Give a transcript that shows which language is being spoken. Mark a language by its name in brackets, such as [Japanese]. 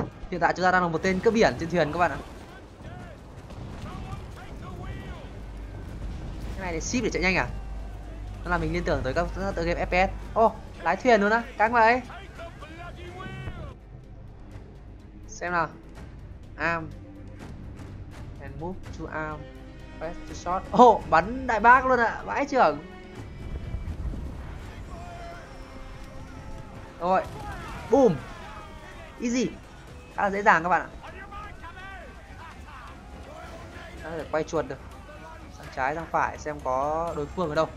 [Vietnamese] Hiện tại chúng ta đang là một tên cướp biển trên thuyền các bạn ạ. Cái này để ship để chạy nhanh à? Nó là mình liên tưởng tới các tựa game FPS. Ô, lái thuyền luôn á, căng vậy. Xem nào. [English] Arm and move to arm, press to shot. [Vietnamese] Ô, bắn đại bác luôn ạ, vãi trưởng. Rồi, boom. [English] Easy, [Vietnamese] khá là dễ dàng các bạn ạ. Ta có thể quay chuột được sang trái sang phải xem có đối phương ở đâu.